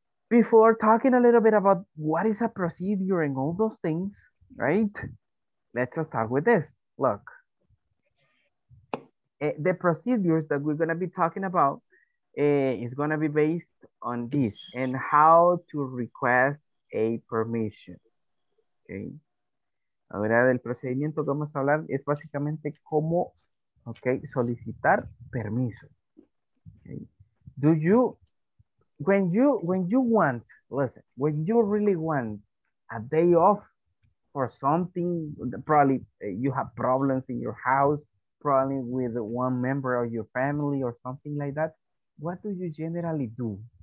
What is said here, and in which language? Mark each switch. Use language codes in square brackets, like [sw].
[en] Before talking a little bit about what is a procedure and all those things, right? Let's start with this. Look. The procedures that we're going to be talking about is going to be based on this and how to request a permission. Okay. [es] Ahora del procedimiento que vamos a hablar es básicamente cómo, okay, solicitar permiso. [en] Okay. Do you, when you want, listen, when you really want a day off for something, probably you have problems in your house, probably with one member of your family or something like that, what do you generally do?